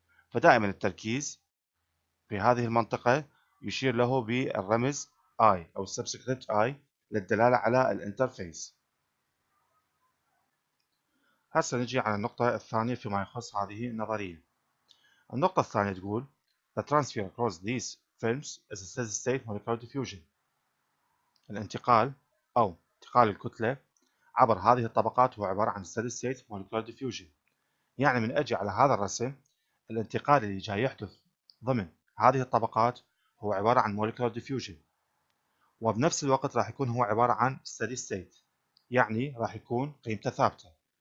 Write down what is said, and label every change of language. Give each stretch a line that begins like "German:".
Arabic: فدائما التركيز في هذه المنطقة يشير له بالرمز اي او سبسكريبت اي للدلالة على الانترفيس. هسه نجي على النقطة الثانية فيما يخص هذه النظرية. النقطة الثانية تقول
English: The transfer across these films is a steady state molecular diffusion.
Arabic: الانتقال أو انتقال الكتلة عبر هذه الطبقات هو عبارة عن steady state molecular diffusion. يعني من أجي على هذا الرسم الانتقال اللي جاي يحدث ضمن هذه الطبقات هو عبارة عن molecular diffusion، وبنفس الوقت راح يكون هو عبارة عن steady state، يعني راح يكون قيمته ثابتة.